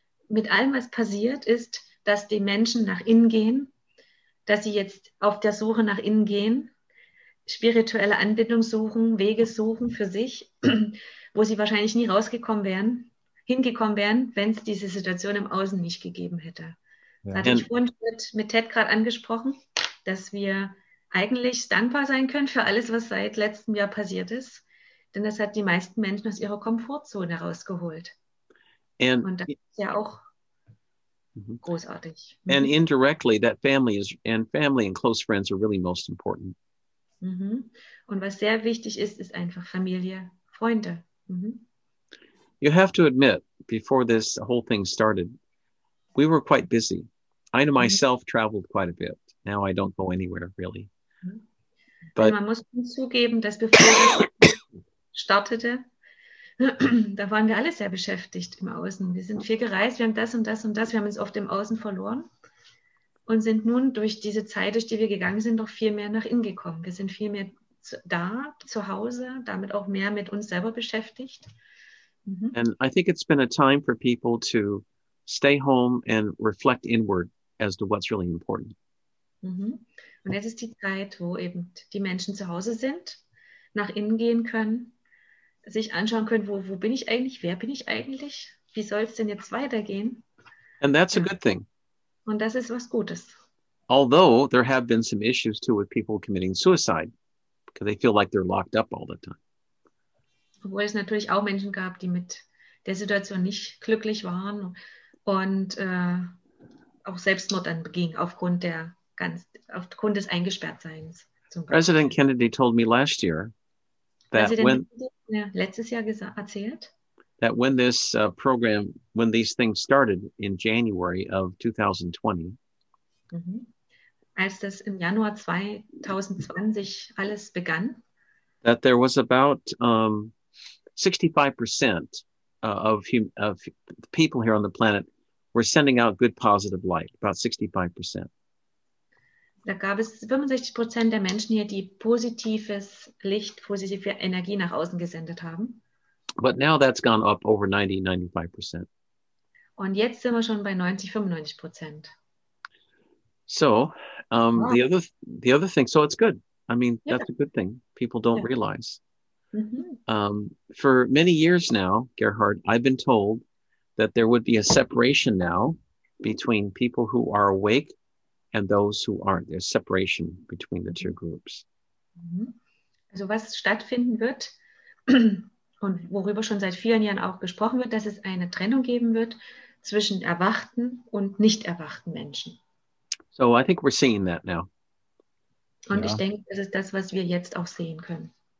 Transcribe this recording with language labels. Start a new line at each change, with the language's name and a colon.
German: Mit allem, was passiert ist, dass die Menschen nach innen gehen, dass sie jetzt auf der Suche nach innen gehen, spirituelle Anbindung suchen, Wege suchen für sich, wo sie wahrscheinlich nie rausgekommen wären, hingekommen wären, wenn es diese Situation im Außen nicht gegeben hätte.
English: Yeah.
German: Das hatte ich vorhin mit Ted gerade angesprochen, dass wir eigentlich dankbar sein können für alles, was seit letztem Jahr passiert ist. Denn das hat die meisten Menschen aus ihrer Komfortzone rausgeholt. Und das ist ja auch großartig.
English: And indirectly, that family is, and family and close friends are really most important. Mm-hmm.
German: Und was sehr wichtig ist, ist einfach Familie, Freunde. Mm-hmm.
English: You have to admit, before this whole thing started, we were quite busy. I myself traveled quite a bit. Now I don't go anywhere, really.
German: But man muss zugeben, dass bevor das startete, da waren wir alle sehr beschäftigt im Außen. Wir sind viel gereist, wir haben das und das und das. Wir haben uns oft im Außen verloren und sind nun durch diese Zeit, durch die wir gegangen sind, noch viel mehr nach innen gekommen. Wir sind viel mehr da, zu Hause, damit auch mehr mit uns selber beschäftigt. Mhm.
English: And I think it's been a time for people to stay home and reflect inward as to what's really important. Mhm.
German: Und jetzt ist die Zeit, wo eben die Menschen zu Hause sind, nach innen gehen können, sich anschauen können, wo bin ich eigentlich, wer bin ich eigentlich, wie soll es denn jetzt weitergehen?
English: And that's a good thing.
German: Und das ist was Gutes.
English: Although there have been some issues too with people committing suicide, because they feel like they're locked up all the time.
German: Obwohl es natürlich auch Menschen gab, die mit der Situation nicht glücklich waren und auch Selbstmord dann beging aufgrund des Eingesperrtseins.
English: President Kennedy told me last year that when
German: letztes Jahr erzählt,
English: that when this program, when these things started in January of 2020,
German: mm-hmm. als das im Januar 2020 alles begann,
English: that there was about 65% of people here on the planet were sending out good positive light, about 65%.
German: Da gab es 65% der Menschen hier, die positives Licht, positive Energie nach außen gesendet haben.
English: But now that's gone up over 90-95%.
German: Und jetzt sind wir schon bei 90-95%.
English: So, wow. the other thing, so it's good. I mean, yeah. That's a good thing. People don't realize. Mm-hmm. For many years now, Gerhard, I've been told that there would be a separation now between people who are awake and those who aren't. There's separation between the two groups.
German: Also was stattfinden wird und worüber schon seit vielen Jahren auch gesprochen wird, dass es eine Trennung geben wird zwischen erwachten und nicht erwachten Menschen.
English: So I think we're seeing that now.
German: Und ich denke, das ist das, was wir jetzt auch sehen können.